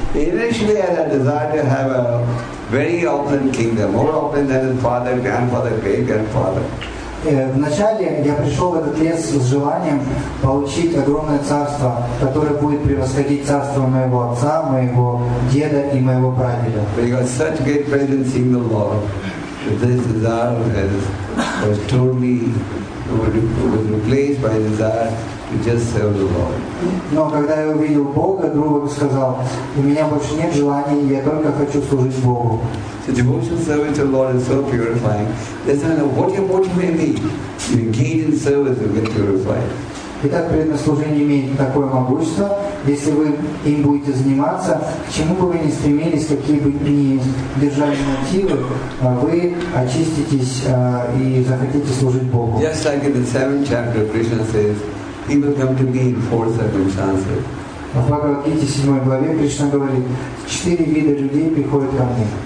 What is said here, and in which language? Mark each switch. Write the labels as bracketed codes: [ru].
[en] Initially, I had a desire to have a very opulent kingdom, more opulent than his father, grandfather, great-grandfather. [ru] Вначале я пришел в этот лес с желанием получить огромное царство, которое будет превосходить царство моего отца, моего деда и моего прадеда. [en] Because such great presence in the Lord, that this desire was totally replaced by desire to just serve the Lord. [ru] Но когда я увидел Бога, Друга сказал, у меня больше нет желаний, я только хочу служить Богу. [en] The devotional service to the Lord is so purifying. There's no matter what your motive may be, you engage in service and get purified. [ru] Итак, преданное служение имеет такое могущество. Если вы им будете заниматься, к чему бы вы ни стремились, какие бы ни держали мотивы, вы очиститесь и захотите служить Богу. [en] Just like in the seventh chapter, Krishna says, he will come to me in four circumstances. [ru] В Бхагавад-гите, 7 главе, Кришна говорит, четыре вида людей приходят ко мне.